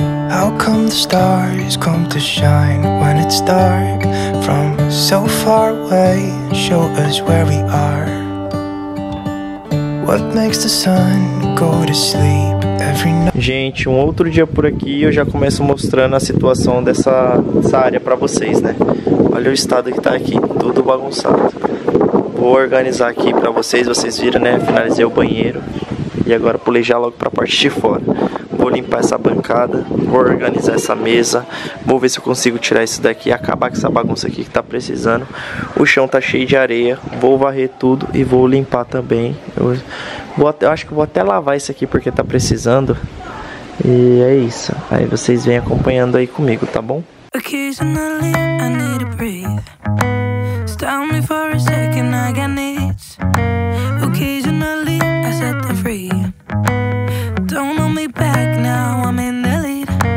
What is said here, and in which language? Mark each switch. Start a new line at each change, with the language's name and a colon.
English: How come the stars come to shine when it's dark? From so far away, show us where we are. What makes the sun go to sleep every night?
Portuguese: Gente, um outro dia por aqui, eu já começo mostrando a situação dessa área pra vocês, né? Olha o estado que tá aqui, tudo bagunçado. Vou organizar aqui pra vocês, vocês viram, né? Finalizei o banheiro e agora pulei já logo pra parte de fora. Vou limpar essa bancada, vou organizar essa mesa, vou ver se eu consigo tirar isso daqui e acabar com essa bagunça aqui que tá precisando. O chão tá cheio de areia, vou varrer tudo e vou limpar também. Eu acho que vou até lavar isso aqui porque tá precisando. E é isso, aí vocês vêm acompanhando aí comigo, tá bom?
English: Occasionally I need to breathe. Stop me for a second, I got needs. Occasionally I set them free. Don't hold me back now, I'm in the lead.